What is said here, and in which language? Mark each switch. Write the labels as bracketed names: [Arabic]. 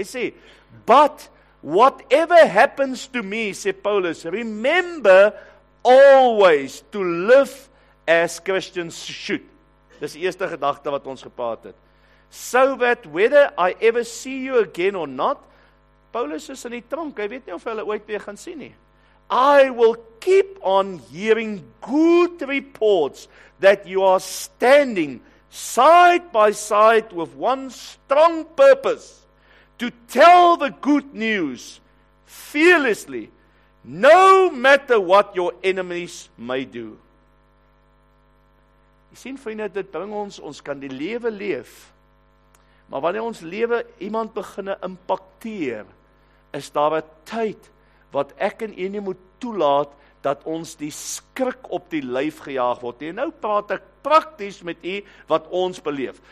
[Afrikaans] Hy sê, [English] but whatever happens to me, [Afrikaans] sê [English] Paulus, remember always to live as Christians should. [Afrikaans] Dis die eerste gedagte wat ons gepraat het. [English] So that whether I ever see you again or not, [Afrikaans] Paulus is in die tronk, hy weet nie of hy hulle ooit weer gaan sien nie. [English] I will keep on hearing good reports that you are standing side by side with one strong purpose to tell the good news fearlessly, no matter what your enemies may do. [Afrikaans] Jy sien, vriende, dit bring ons, ons kan die lewe leef, maar wanneer ons lewe iemand beginne impakteer, is daar 'n tyd wat ek en jy nie moet toelaat dat ons die skrik op die lyf gejaag word. En nou praat ek prakties met u wat ons beleef.